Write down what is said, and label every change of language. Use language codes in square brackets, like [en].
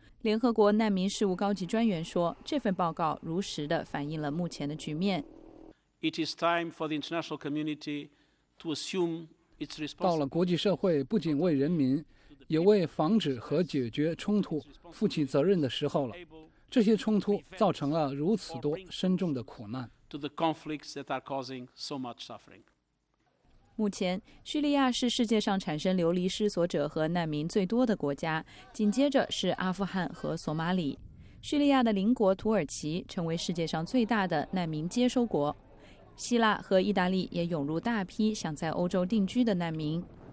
[zh] 联合国难民事务高级专员说，这份报告如实地反映了目前的局面。 [en] It is time for the international community to assume its responsibility. [zh] 到了国际社会不仅为人民，也为防止和解决冲突负起责任的时候了。这些冲突造成了如此多深重的苦难。 [en] To the conflicts that are causing so much suffering. [zh] 目前，叙利亚是世界上产生流离失所者和难民最多的国家，紧接着是阿富汗和索马里。叙利亚的邻国土耳其成为世界上最大的难民接收国。希腊和意大利也涌入大批想在欧洲定居的难民。